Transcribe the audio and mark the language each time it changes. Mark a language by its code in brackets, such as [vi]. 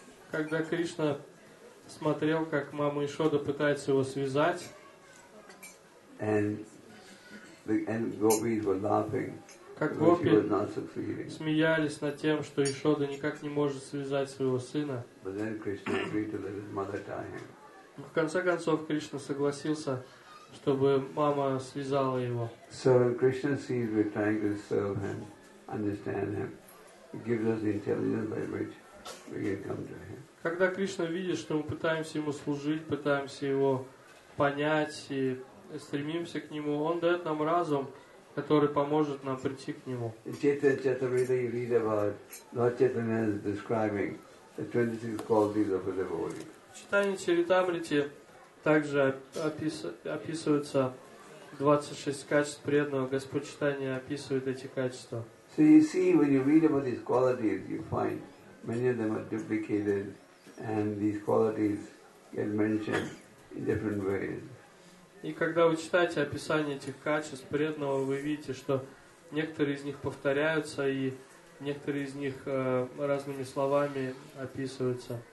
[ru] Когда Кришна смотрел, как мама Ишода пытается его связать, как гопи смеялись над тем, что Ишода никак не может связать своего сына, в конце концов Кришна согласился, чтобы мама связала его. [en] So Krishna sees we're trying to serve him, understand him, gives us the intelligence by which we can come to him. [ru] Когда Кришна видит, что мы пытаемся ему служить, пытаемся его понять и стремимся к нему, он дает нам разум, который поможет нам прийти к нему. [en] In Chaitanya Charitamrita you read about Lord Chaitanya is describing the 26 qualities of a devotee. [ru] В Читании Чаритамрите также описываются 26 качеств преданного. Господь Читания описывает эти качества. [en] So you see, when you read about these qualities, you find many of them are duplicated, and these qualities get mentioned in different ways. [ru] И когда вы читаете описание этих качеств преданного, вы видите, что некоторые из них повторяются, и некоторые из них разными словами описываются.